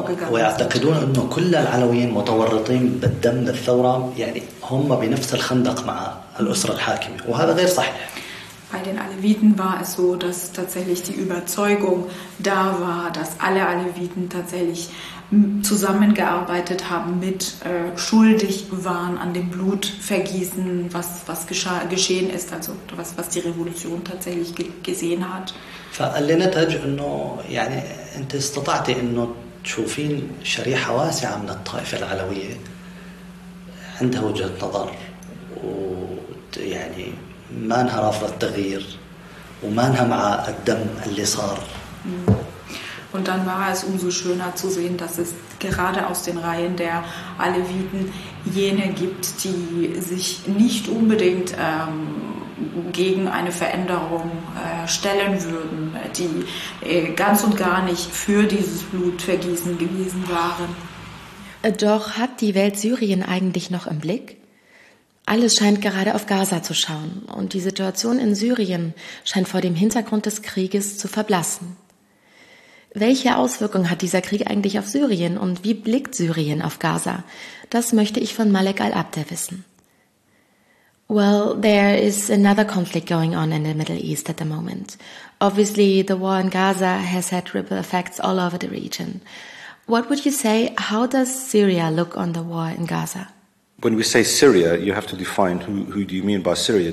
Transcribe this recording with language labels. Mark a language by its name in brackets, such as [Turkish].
[Arabic] ويعتقدون انه كل العلويين متورطين بالدم للثوره يعني هم بنفس الخندق مع الاسره الحاكمه وهذا غير صحيح. [German] Bei den Aleviten war es so, dass tatsächlich die Überzeugung da war, dass alle Aleviten tatsächlich zusammengearbeitet haben, mit schuldig waren an dem Blutvergießen, was geschehen ist, also was die Revolution tatsächlich gesehen hat. [Arabic] فالنتج انه يعني انت استطعتي انه تشوفين شريحه واسعه من الطائفه العلويه عندها وجهه نظر ويعني ما انها رافضه التغيير وما انها مع الدم اللي صار. [German] Und dann war es umso schöner zu sehen, dass es gerade aus den Reihen der Aleviten jene gibt, die sich nicht unbedingt gegen eine Veränderung stellen würden, die ganz und gar nicht für dieses Blutvergießen gewesen waren. Doch hat die Welt Syrien eigentlich noch im Blick? Alles scheint gerade auf Gaza zu schauen und die Situation in Syrien scheint vor dem Hintergrund des Krieges zu verblassen. Welche Auswirkungen hat dieser Krieg eigentlich auf Syrien und wie blickt Syrien auf Gaza? Das möchte ich von Malek al-Abdel wissen. [English] Well, there is another conflict going on in the Middle East at the moment. Obviously, the war in Gaza has had ripple effects all over the region. What would you say, how does Syria look on the war in Gaza? When we say Syria, you have to define who do you mean by Syria?